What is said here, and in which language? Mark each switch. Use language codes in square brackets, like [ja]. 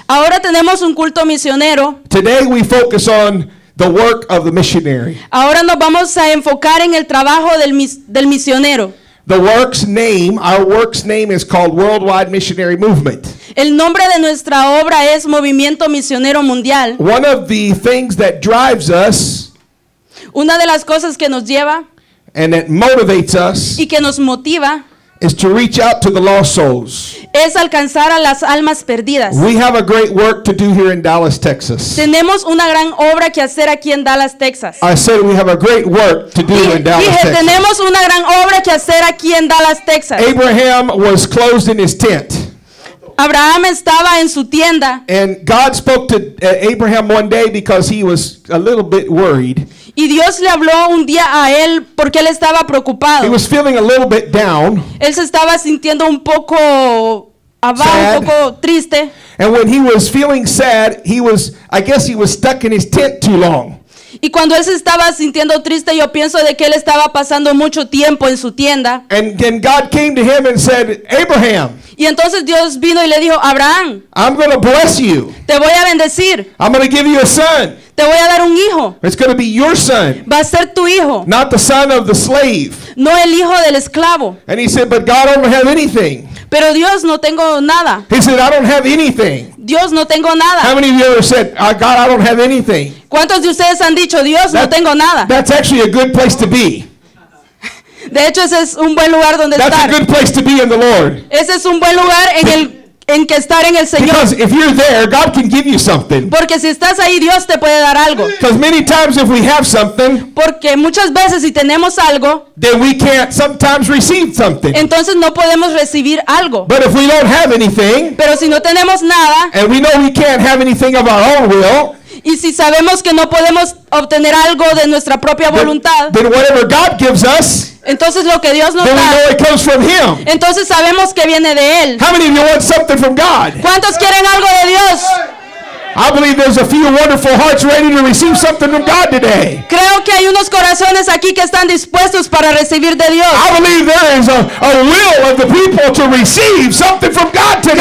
[es] Ahora tenemos un culto misionero. [en] Today we focus on the work of the missionary. [es] Ahora nos vamos a enfocar en el trabajo del misionero. [en] The work's name, our work's name is called Worldwide Missionary Movement. [es] El nombre de nuestra obra es Movimiento Misionero Mundial. [en] One of the things that drives us, [es] una de las cosas que nos lleva, [en] and that motivates us, [es] y que nos motiva, [en] is to reach out to the lost souls. [es] Es alcanzar a las almas perdidas. [en] We have a great work to do here in Dallas, Texas. [es] Tenemos una gran obra que hacer aquí en Dallas, Texas. [en] I said we have a great work to do in Dallas, Texas. [es] Tenemos una gran obra que hacer aquí en Dallas, Texas. [en] Abraham was closed in his tent. [es] Abraham estaba en su tienda. [en] And God spoke to Abraham one day because he was a little bit worried. [es] Y Dios le habló un día a él porque él estaba preocupado. [en] He was feeling a little bit down. [es] Él se estaba sintiendo un poco abajo, [en] sad. [es] Un poco triste. [en] And when he was feeling sad, he was stuck in his tent too long. [es] Y cuando él se estaba sintiendo triste, yo pienso de que él estaba pasando mucho tiempo en su tienda. [en] And then God came to him and said, Abraham. [es] Y entonces Dios vino y le dijo, Abraham. [en] I'm going to bless you. [es] Te voy a bendecir. [en] I'm going to give you a son. [es] Te voy a dar un hijo. [en] It's going to be your son. [es] Va a ser tu hijo. [en] Not the son of the slave. [es] No el hijo del esclavo. [en] And he said, but God, I don't have anything. [es] Pero Dios, no tengo nada. [en] He said, I don't have anything. [es] Dios, no tengo nada. [en] How many of you ever said, oh, God, I don't have anything? [es] ¿Cuántos de ustedes han dicho, Dios, no tengo nada? [en] That's actually a good place to be. [es] De hecho, ese es un buen lugar donde [en] that's [es] estar. [en] That's a good place to be in the Lord. [es] Ese es un buen lugar en el en que estar en el Señor. [en] Because if you're there, God can give you something. [es] Porque si estás ahí, Dios te puede dar algo. [en] Because many times if we have something, [es] porque muchas veces si tenemos algo, [en] then we can't sometimes receive something. [es] Entonces no podemos recibir algo. [en] But if we don't have anything, [es] pero si no tenemos nada, [en] and we know we can't have anything of our own will, [es] y si sabemos que no podemos obtener algo de nuestra propia voluntad, [en] then whatever God gives us, [es] entonces lo que Dios nos da, entonces sabemos que viene de Él. [en] How many of you want something from God? [es] ¿Cuántos quieren algo de Dios? [en] I believe there's a few wonderful hearts ready to receive something from God today. [es] Creo que hay unos corazones aquí que están dispuestos para recibir de Dios. [en] I believe there is a will of the people to receive something from God today.